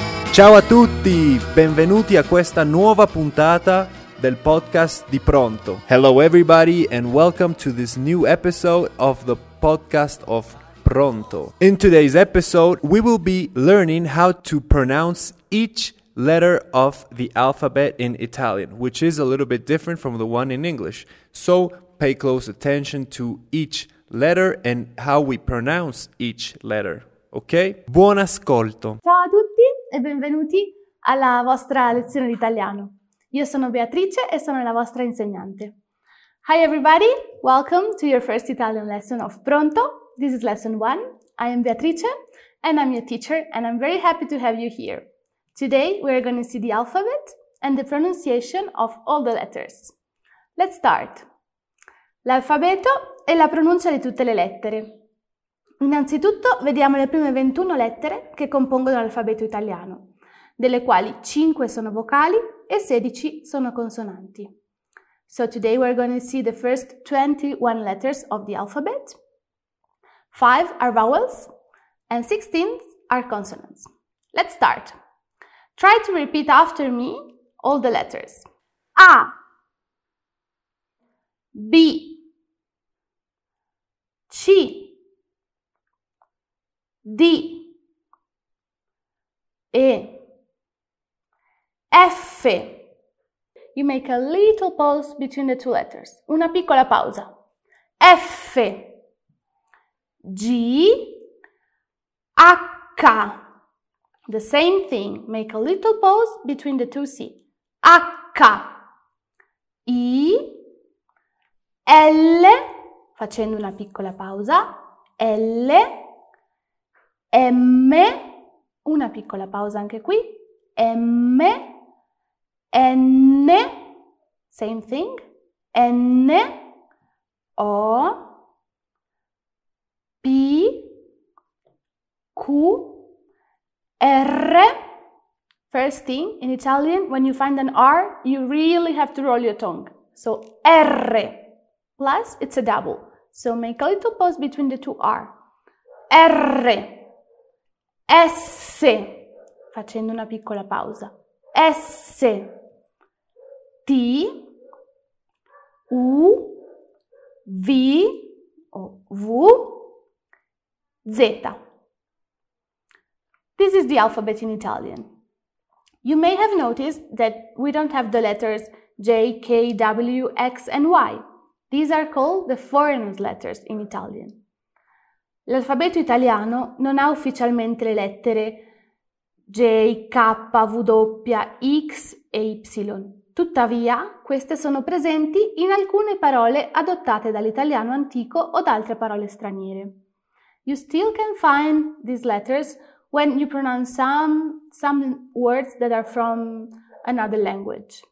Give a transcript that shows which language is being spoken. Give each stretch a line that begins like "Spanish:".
Italian: Ciao a tutti, benvenuti a questa nuova puntata del podcast di Pronto.
English: Hello everybody and welcome to this new episode of the podcast of Pronto. In today's episode, we will be learning how to pronounce each letter of the alphabet in Italian, which is a little bit different from the one in English. So pay close attention to each letter and how we pronounce each letter, ok?
Italian: Buon ascolto! Ciao a tutti e benvenuti alla vostra lezione di italiano. Io sono Beatrice e sono la vostra insegnante.
English: Hi everybody, welcome to your first Italian lesson of Pronto. This is lesson one. I am Beatrice and I'm your teacher and I'm very happy to have you here. Today we are going to see the alphabet and the pronunciation of all the letters. Let's start!
Italian: L'alfabeto e la pronuncia di tutte le lettere. Innanzitutto vediamo le prime 21 lettere che compongono l'alfabeto italiano, delle quali 5 sono vocali e 16 sono consonanti.
English: So today we're going to see the first 21 letters of the alphabet. 5 are vowels and 16 are consonants. Let's start. Try to repeat after me all the letters. A, B, C, D, E, F. You make a little pause between the two letters.
Italian: Una piccola pausa.
English: F, G, H. The same thing. Make a little pause between the two C.
Italian: H, I, L, facendo una piccola pausa, L, M, una piccola pausa anche qui, M, N,
English: same thing,
Italian: N, O, P, Q, R.
English: First thing, in Italian, when you find an R, you really have to roll your tongue. So, R. Plus, it's a double. So make a little pause between the two R. R. S.
Italian: Facendo una piccola pausa. S. T. U. V. O V. Z.
English: This is the alphabet in Italian. You may have noticed that we don't have the letters J, K, W, X and Y. These are called the foreigners' letters in Italian.
Italian: L'alfabeto italiano non ha ufficialmente le lettere J, K, W, X e Y. Tuttavia, queste sono presenti in alcune parole adottate dall'italiano antico o da altre parole straniere.
English: You still can find these letters when you pronounce some words that are from another language.